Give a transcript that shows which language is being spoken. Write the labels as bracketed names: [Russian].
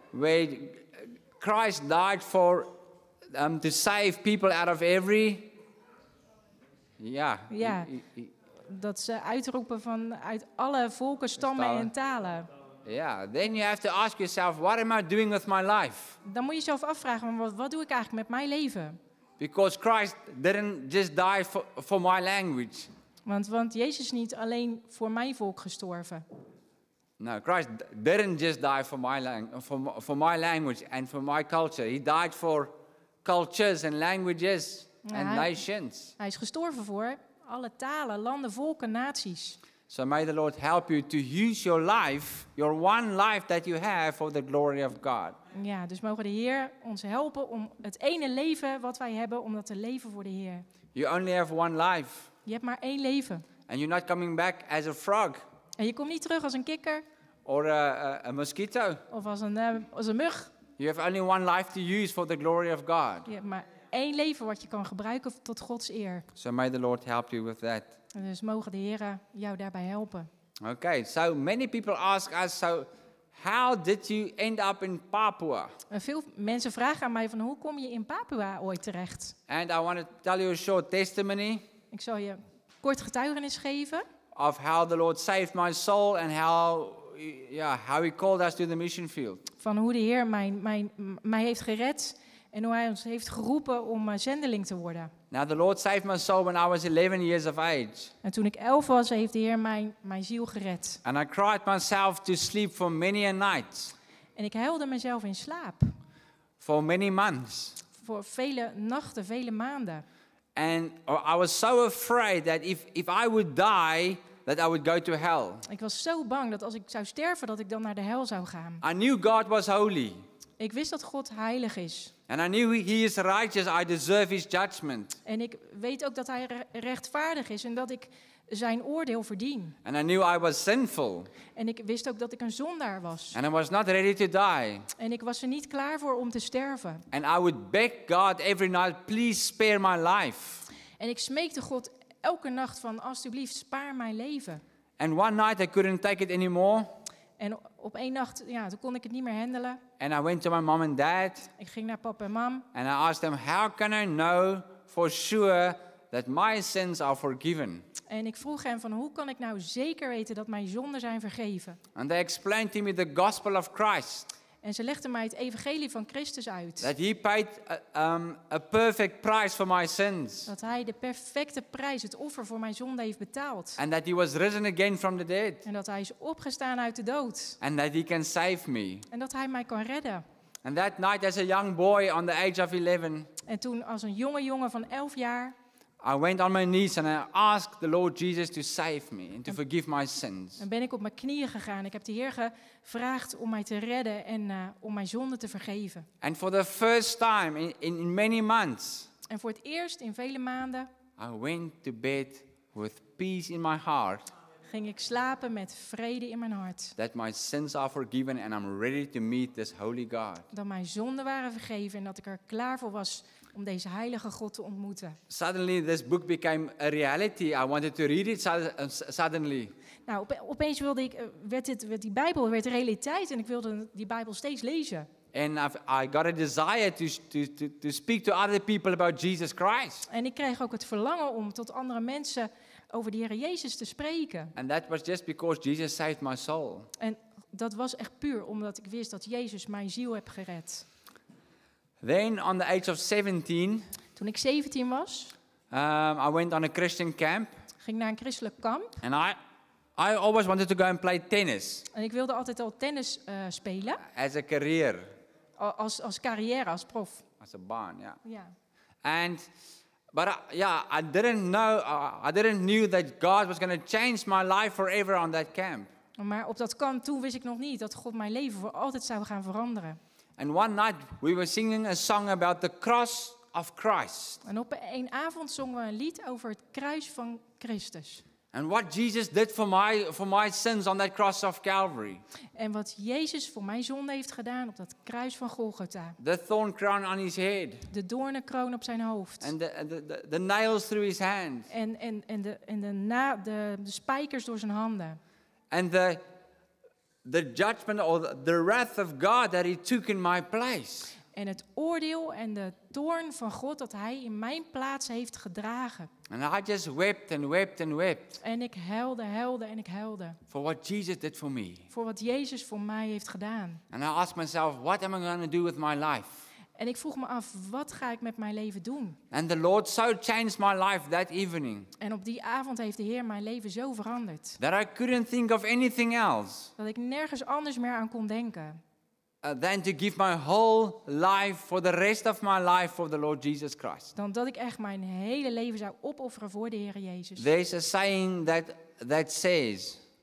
[English] Where Christ died for to save people out of every. [Dutch] Ja. [English] Yeah. [Dutch] Dat ze uitroepen van uit alle volken, stammen en talen. [English] Yeah, then you have to ask yourself, what am I doing with my life? [Dutch] Dan moet je jezelf afvragen, wat doe ik eigenlijk met mijn leven? [English] Because Christ didn't just die for my language. [Dutch] Want Jezus is niet alleen voor mijn volk gestorven. [English] No, Christ didn't just die for my language and for my culture. He died for cultures and languages and nations. [Dutch] Hij is gestorven voor alle talen, landen, volken, naties. [English] So may the Lord help you to use your life, your one life that you have, for the glory of God. [Dutch] Ja, dus mogen de Heer ons helpen om het ene leven wat wij hebben, om dat te leven voor de Heer. [English] You only have one life. [Dutch] Je hebt maar één leven. [English] And you're not coming back as a frog. [Dutch] En je komt niet terug als een kikker. [English] Or a mosquito. [Dutch] Of als een mug. [English] You have only one life to use for the glory of God. [Dutch] Je hebt maar één leven wat je kan gebruiken tot Gods eer. [English] So may the Lord help you with that. [Dutch] Dus mogen de Heren jou daarbij helpen. [English] Okay, so many people ask us, so how did you end up in Papua? [Dutch] Veel mensen vragen aan mij van hoe kom je in Papua ooit terecht? [English] And I want to tell you a short testimony. [Dutch] Ik zal je kort getuigenis geven. [English] Of how the Lord saved my soul and how He called us to the mission field. [Dutch] Van hoe de Heer mij heeft gered en hoe Hij ons heeft geroepen om zendeling te worden. [English] Now the Lord saved my soul when I was 11 years of age. [Dutch] En toen ik 11 was, heeft de Heer mijn ziel gered. [English] And I cried myself to sleep for many a night. [Dutch] En ik huilde mezelf in slaap. [English] For many months. [Dutch] Voor vele nachten, vele maanden. [English] And I was so afraid that if I would die, that I would go to hell. [Dutch] Ik was zo bang dat als ik zou sterven, dat ik dan naar de hel zou gaan. [English] I knew God was holy. [Dutch] Ik wist dat God heilig is. [English] And I knew He is righteous. I deserve His judgment. [Dutch] En ik weet ook dat Hij rechtvaardig is en dat ik zijn oordeel verdien. [English] And I knew I was sinful. [Dutch] En ik wist ook dat ik een zondaar was. [English] And I was not ready to die. [Dutch] En ik was er niet klaar voor om te sterven. [English] And I would beg God every night, please spare my life. [Dutch] En ik smeekte God elke nacht van alsjeblieft spaar mijn leven. [English] And one night I couldn't take it anymore. [Dutch] En op één nacht, ja, toen kon ik het niet meer handelen. [English] And I went to my mom and dad. [Dutch] Ik ging naar papa en mam. [English] And I asked them, how can I know for sure that my sins are forgiven? [Dutch] En ik vroeg hen van, hoe kan ik nou zeker weten dat mijn zonden zijn vergeven? [English] And they explained to me the gospel of Christ. [Dutch] En ze legden mij het evangelie van Christus uit. [English] That he paid a perfect price for my sins. [Dutch] Dat hij de perfecte prijs, het offer voor mijn zonde heeft betaald. [English] And that he was risen again from the dead. [Dutch] En dat hij is opgestaan uit de dood. [English] And that he can save me. [Dutch] En dat hij mij kan redden. [English] And that night as a young boy on the age of 11. [Dutch] En toen als een jonge jongen van 11 jaar. [English] I went on my knees and I asked the Lord Jesus to save me and to forgive my sins. [Dutch] En ben ik op mijn knieën gegaan. Ik heb de Heer gevraagd om mij te redden en om mijn zonden te vergeven. [English] And for the first time in many months. [Dutch] En voor het eerst in vele maanden. [English] I went to bed with peace in my heart. [Dutch] Ging ik slapen met vrede in mijn hart. [English] That my sins are forgiven and I'm ready to meet this holy God. [Dutch] Dat mijn zonden waren vergeven en dat ik er klaar voor was om deze heilige God te ontmoeten. [English] Suddenly this book became a reality. I wanted to read it suddenly. [Dutch] Nou, opeens wilde ik werd die Bijbel werd realiteit en ik wilde die Bijbel steeds lezen. [English] And I got a desire to speak to other people about Jesus Christ. [Dutch] En ik kreeg ook het verlangen om tot andere mensen over de Heer Jezus te spreken. [English] And that was just because Jesus saved my soul. [Dutch] En dat was echt puur omdat ik wist dat Jezus mijn ziel heeft gered. [English] Then on the age of 17. [Dutch] Toen ik 17 was. [English] I went on a Christian camp. [Dutch] Ging naar een christelijk kamp. [English] And I always wanted to go and play tennis. [Dutch] En ik wilde altijd al tennis spelen. [English] As a career. [Dutch] Als carrière, als prof. Als een baan, ja. Ja. [English] And but I didn't know that God was going to change my life forever on that camp. [Dutch] Maar op dat kamp toen wist ik nog niet dat God mijn leven voor altijd zou gaan veranderen. [English] And one night we were singing a song about the cross of Christ. [Dutch] En op een avond zongen we een lied over het kruis van Christus. [English] And what Jesus did for my sins on that cross of Calvary. [Dutch] En wat Jezus voor mijn zonde heeft gedaan op dat kruis van Golgotha. [English] The thorn crown on his head. [Dutch] De doornenkroon op zijn hoofd. [English] And the nails through his hand. [Dutch] En de spijkers door zijn handen. [English] And the judgment or the wrath of God that he took in my place. [Dutch] En het oordeel en de toorn van God dat hij in mijn plaats heeft gedragen. [English] And I just wept and wept and wept. [Dutch] En ik huilde. [English] For what Jesus did for me. [Dutch] Voor wat Jezus voor mij heeft gedaan. [English] And I asked myself, what am I going to do with my life? [Dutch] En ik vroeg me af, wat ga ik met mijn leven doen? [English] And the Lord so changed my life that evening. [Dutch] En op die avond heeft de Heer mijn leven zo veranderd. [English] That I couldn't think of anything else. [Dutch] Dat ik nergens anders meer aan kon denken. [English] Than to give my whole life for the rest of my life for the Lord Jesus Christ. [Dutch] Dan dat ik echt mijn hele leven zou opofferen voor de Heer Jezus. [English] There's a saying that says.